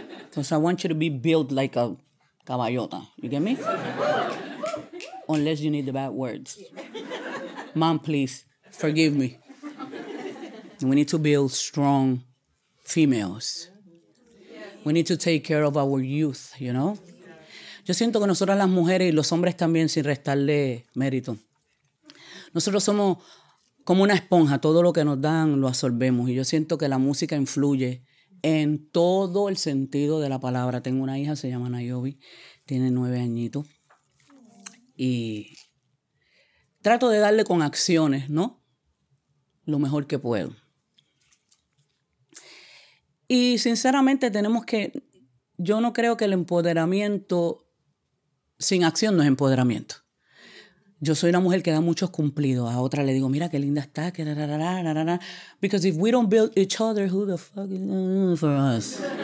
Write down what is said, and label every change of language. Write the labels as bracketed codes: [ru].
[en] Because I want you to be built like a caballota. You get me? Unless you need the bad words. Mom, please, forgive me. We need to build strong females. We need to take care of our youth, you know? [es] Yo siento que nosotras las mujeres y los hombres también, sin restarle mérito. Nosotros somos como una esponja. Todo lo que nos dan lo absorbemos. Y yo siento que la música influye en todo el sentido de la palabra. Tengo una hija, se llama Nayobi. Tiene 9 añitos. Y trato de darle con acciones, ¿no? Lo mejor que puedo. Y sinceramente tenemos que... Yo no creo que el empoderamiento... Sin acción no es empoderamiento. Yo soy una mujer que da muchos cumplidos. A otra le digo, mira qué linda está. [en] Que because if we don't build each other, who the fuck is going for us?